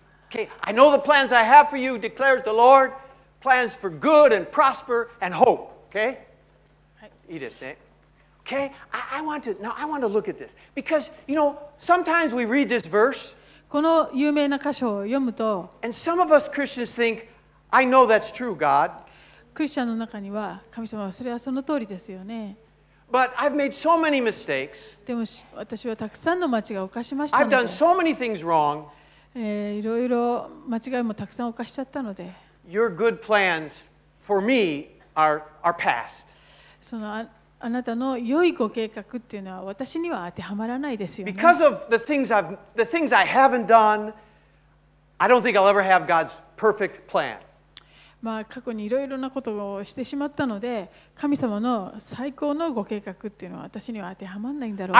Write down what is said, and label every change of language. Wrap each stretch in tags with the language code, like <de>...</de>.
<en>Okay, I know the plans I have for you, declares the Lord. Plans for good and prosper and hope. Okay?</en> <ja>いいですね。</ja> <en>Okay? I want to look at this. Because, you know, sometimes we read this verse.</en> <ja>この有名な箇所を読むと。</ja> <en>And some of us Christians think, I know that's true, God.</en> <ja>クリスチャンの中には、神様はそれはその通りですよね。</ja> <en>But I've made so many mistakes.</en> <ja>でも私はたくさんの間違いを犯しましたので。</ja> <en>I've done so many things wrong.</en> <ja>いろいろ間違いもたくさん犯しちゃったので。</ja> <en>Your good plans for me are past.</en> <ja>そのあなたの良いご計画っていうのは私には当てはまらないですよね。</ja> <en>Because of the things I haven't done, I don't think I'll ever have God's perfect plan.</en> <ja>まあ過去にいろいろなことをしてしまったので、神様の最高のご計画っていうのは私には当てはまらないんだろうな。</ja>